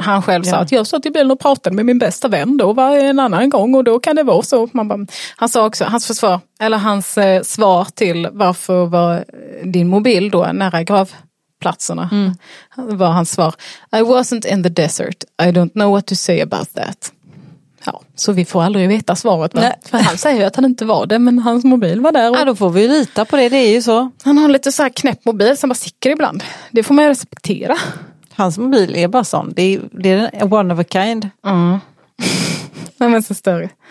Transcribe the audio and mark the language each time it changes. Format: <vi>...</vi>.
<sv>Han själv sa att jag satt i bilen och pratade med min bästa vän då var en annan gång och då kan det vara så. Man bara, han sa också, hans svar till varför var din mobil då nära gravplatserna var hans svar:</sv> <en>I wasn't in the desert. I don't know what to say about that.</en> <sv>Ja, så vi får aldrig veta svaret. Nej. För han säger ju att han inte var det, men hans mobil var där. Och... Ja, då får vi lita på det, det är ju så. Han har lite så här knäpp mobil som bara sticker ibland. Det får man ju respektera. Hans mobil är bara sån. Det är en</sv> <en>one of a kind.</en> <sv>Mm. Nej, men så större.</sv>